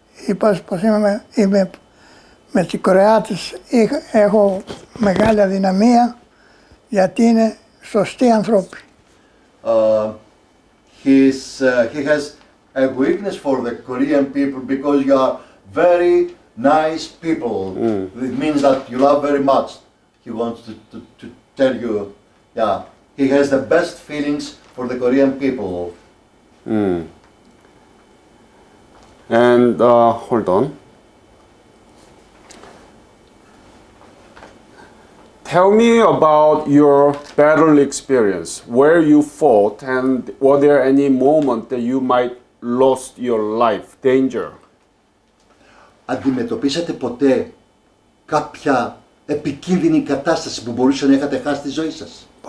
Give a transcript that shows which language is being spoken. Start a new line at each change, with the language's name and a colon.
Greek: Είπα πως είμαι με τις Κορεάτες, έχω μεγάλη αδυναμία, γιατί είναι σωστοί άνθρωποι.
English: He has a weakness for the Korean people because you are very nice people. It means that you love very much. He wants to tell you, yeah, he has the best feelings for the Korean people. And hold on. Tell me about your battle experience, where you fought, and were there any moment that you might lost your life, danger?
Greek: Αντιμετωπίσατε ποτέ κάποια επικίνδυνη κατάσταση που μπορούσε να έχετε χάσει τη ζωή σας?